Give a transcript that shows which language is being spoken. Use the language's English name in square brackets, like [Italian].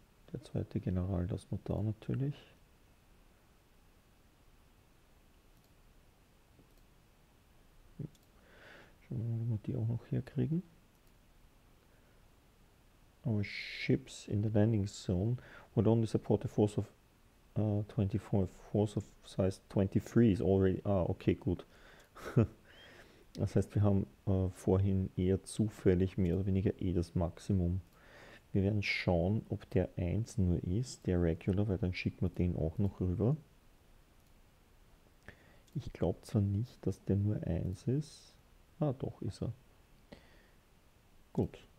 [German] Der zweite General, das muss da natürlich. Schauen wir mal, ob wir die auch noch hier kriegen. [English] Our ships in the landing zone would only support a force of 24. Force of size 23 is already. [German] Ah, okay, gut. Das heißt, wir haben vorhin eher zufällig mehr oder weniger eh das Maximum. Wir werden schauen, ob der 1 nur ist, der Regular, weil dann schicken wir den auch noch rüber. Ich glaube zwar nicht, dass der nur 1 ist. Ah, doch, ist er. Gut.